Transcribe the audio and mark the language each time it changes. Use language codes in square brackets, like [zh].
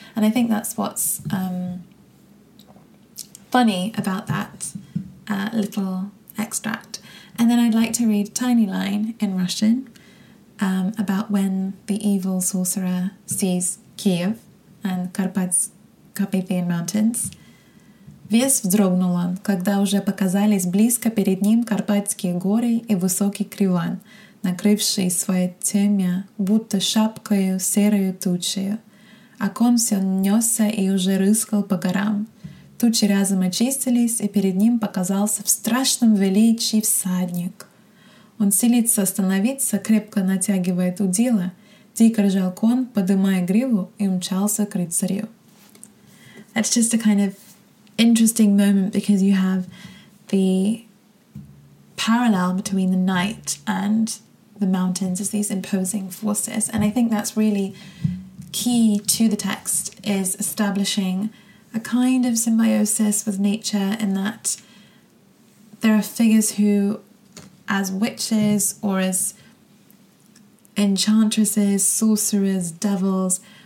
[en] And I think that's what's funny about that little extract. And then I'd like to read a tiny line in Russian about when the evil sorcerer sees Kiev and Carpathian mountains. [ru] Весь вздрогнул он, когда уже показались близко перед ним Карпатские горы и высокий Криван, накрывший свое темя, будто шапкою серою тучею. А ком все несся и уже рыскал по горам. Тучи разом очистились, и перед ним показался в страшном величии всадник. Он силится остановиться, крепко натягивает удила, дико ржал кон, подымая гриву, и умчался к рыцарю. [en] It's just a kind of interesting moment, because you have the parallel between the night and the mountains as these imposing forces. And I think that's really key to the text, is establishing a kind of symbiosis with nature, in that there are figures who, as witches or as enchantresses, sorcerers, devils,